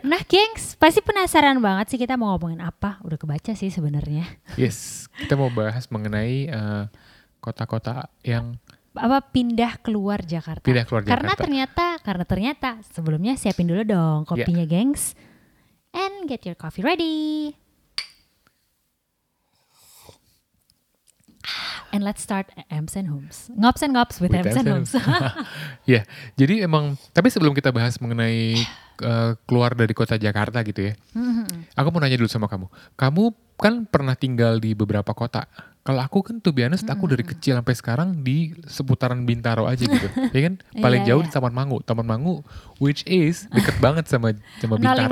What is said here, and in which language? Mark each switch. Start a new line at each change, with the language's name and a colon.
Indonesian: Nah, gengs, pasti penasaran banget sih kita mau ngomongin apa. Udah kebaca sih sebenarnya. Yes, kita mau bahas mengenai kota-kota yang... apa pindah keluar Jakarta. Pindah keluar Jakarta. Karena ternyata sebelumnya siapin dulu dong kopinya, gengs.
English: And get your coffee ready. And let's start Ems and Homes. Ngops and Ngops with Ems and Homes.
Indonesian: Yeah, jadi emang, tapi sebelum kita bahas mengenai keluar dari kota Jakarta gitu ya. Aku mau nanya dulu sama kamu. Kamu kan pernah tinggal di beberapa kota. Kalau aku kan
English: to be honest,
Indonesian: aku dari kecil sampai sekarang di seputaran Bintaro aja gitu. Ya kan? Paling jauh di Taman Mangu. Taman Mangu,
English: which is
Indonesian: deket banget sama Bintaro.